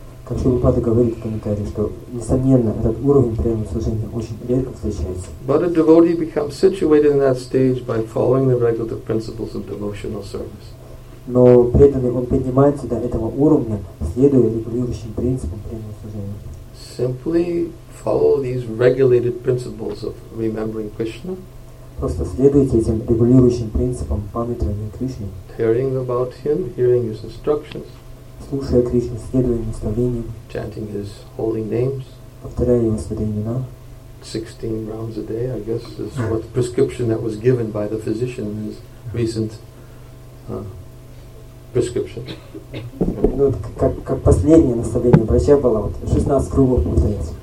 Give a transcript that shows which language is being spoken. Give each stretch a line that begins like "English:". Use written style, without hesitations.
Russian: Как Шрилупада говорит в комментарии, что, несомненно, этот уровень преданного служения очень редко встречается.
English: But a devotee becomes situated in that stage by following the regulative principles of devotional service.
Russian: Но преданный, он поднимается до этого уровня, следуя регулирующим принципам преданного служения.
English: Simply follow these regulated principles of remembering Krishna.
Russian: Просто следуйте этим регулирующим принципам памятования Кришны.
English: Hearing about Him, hearing His instructions.
Russian: Слушая Кришну, следуя Его наставлениям.
English: Chanting His holy names.
Russian: Повторяя Его святые имена.
English: 16 rounds a day, I guess, is what the prescription that was given by the physician in his recent prescription.
Russian: Ну, как последнее наставление врача было, вот 16 кругов повторять.